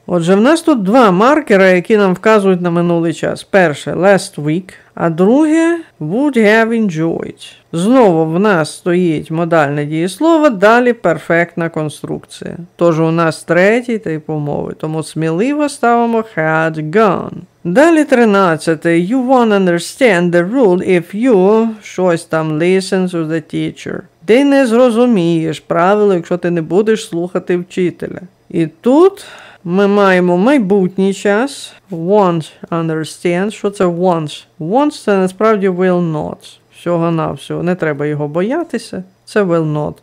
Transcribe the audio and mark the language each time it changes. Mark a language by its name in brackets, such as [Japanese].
[Ukrainian] Отже, в нас тут два маркера, які нам вказують на минулий час. Перше – [English] last week, [Ukrainian] а друге – [English] would have enjoyed. [Ukrainian] Знову в нас стоїть модальне дієслово, далі перфектна конструкція. Тож у нас третій тип умови, тому сміливо ставимо [English] had gone. [Ukrainian] Далі 13. [English] You won't understand the rule if you [Ukrainian] щось там [English] listen to the teacher. [Ukrainian] Ти не зрозумієш правило, якщо ти не будеш слухати вчителя. І тут ми маємо майбутній час. [English] Won't understand. [Ukrainian] Що це won't? Won't це насправді [English] will not. [Ukrainian] Всього-навсього. Не треба його боятися. Це [English] will not.